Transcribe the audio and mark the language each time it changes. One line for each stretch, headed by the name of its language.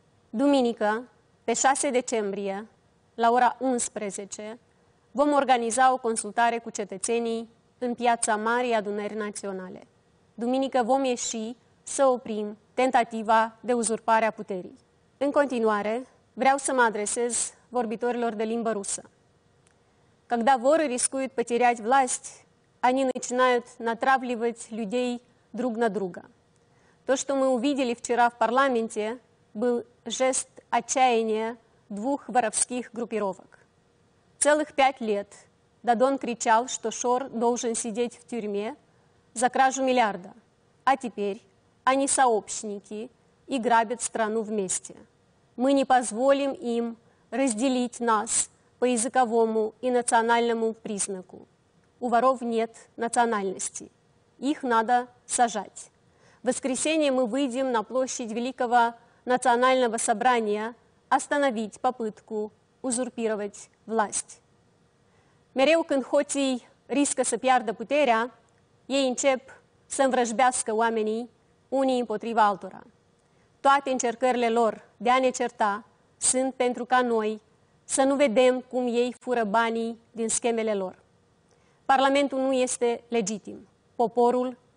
Romanian: Duminică, pe 6 decembrie, la ora 11, vom organiza o consultare cu cetățenii în Piața Marii Adunări Naționale. Duminică vom ieși să oprim tentativa de uzurpare a puterii. În continuare, vreau să mă adresez vorbitorilor de limbă rusă.
Russian: Когда воры рискуют потерять власть, они начинают натравливать людей друг на друга. То, что мы увидели вчера в парламенте, был жест отчаяния 2 воровских группировок. Целых 5 лет Дадон кричал, что Шор должен сидеть в тюрьме за кражу миллиарда, а теперь они сообщники и грабят страну вместе. Мы не позволим им разделить нас по языковому и национальному признаку. У воров нет национальности. Их надо сажать. В воскресенье мы выйдем на площадь Великого национального собрания остановить попытку узурпировать власть.
Romanian: Mereu când hoții riscă să piardă puterea, ei încep să învrăjbească oamenii unii împotriva altora. Toate încercările lor de a ne certa sunt pentru ca noi să nu vedem cum ei fură banii din schemele lor. Parlamentul nu este legitim. Poporul